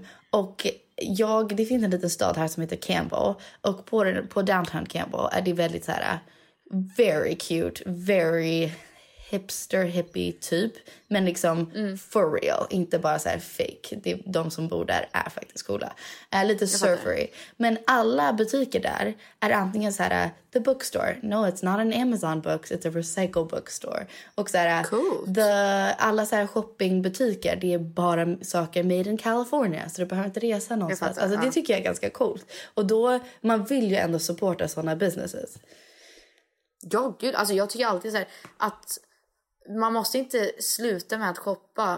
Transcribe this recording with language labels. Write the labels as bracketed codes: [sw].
[sv] Och det finns en liten stad här som heter Campbell, och på downtown Campbell är det väldigt så här [en] very cute, very hipster, hippie typ, men liksom for real, [sv] inte bara så här fake. Det är de som bor där är faktiskt coola. Lite surfery. Men alla butiker där är antingen så här [en] the bookstore. No, it's not an Amazon books, it's a recycle bookstore. [sv] Och så här alla så här shoppingbutiker, det är bara saker [en] made in California, [sv] så du behöver inte resa någonstans. Alltså det tycker jag är ganska coolt. Och då man vill ju ändå supporta såna businesses. Ja, gud, alltså jag tycker alltid så här att man måste inte sluta med att shoppa.